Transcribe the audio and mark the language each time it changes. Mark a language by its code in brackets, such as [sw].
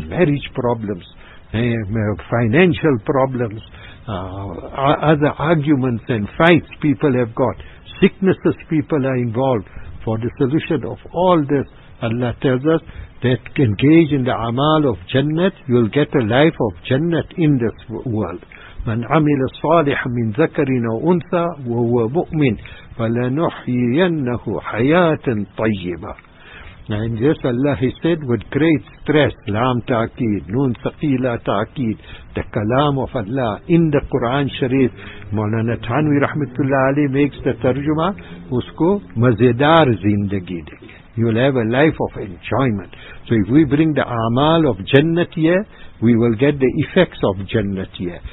[en] Marriage problems, financial problems, other arguments and fights people have got, sicknesses people are involved. For the solution of all this, Allah tells us that engage in the amal of Jannat, you will get a life of Jannat in this world. [ar] من عمل صالح من ذكر أو أنثى وهو مؤمن فلنحيينه حياة طيبة. [en] And yes, Allah has said with great stress, lam ta'akid, noon saqila ta'akid, the kalam of Allah in the Quran Sharif. Maulana Thanwi rahmatullah Ali makes the tarjuma, [ur] usko mazedar zindagi. [en] You will have a life of enjoyment. So if we bring the amal of Jannat here, we will get the effects of Jannat here.